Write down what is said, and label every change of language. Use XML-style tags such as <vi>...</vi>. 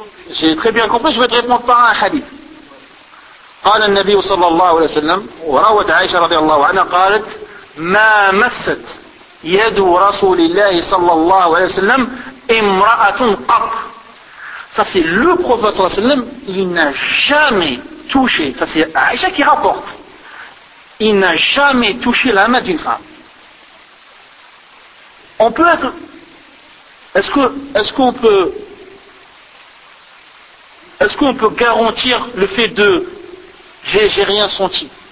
<fr>J'ai très bien compris, je vais te répondre par un hadith.</fr> <ar>قال النبي صلى الله عليه وسلم وروت عائشة رضي الله عنها قالت ما مست يد رسول الله صلى الله عليه وسلم امرأة قط.</ar> <fr>Ça c'est le prophète sallam, il n'a jamais touché, ça c'est Aïcha qui rapporte, il n'a jamais touché la main d'une femme. On peut être, est-ce qu'on peut garantir le fait de j'ai rien senti?</fr>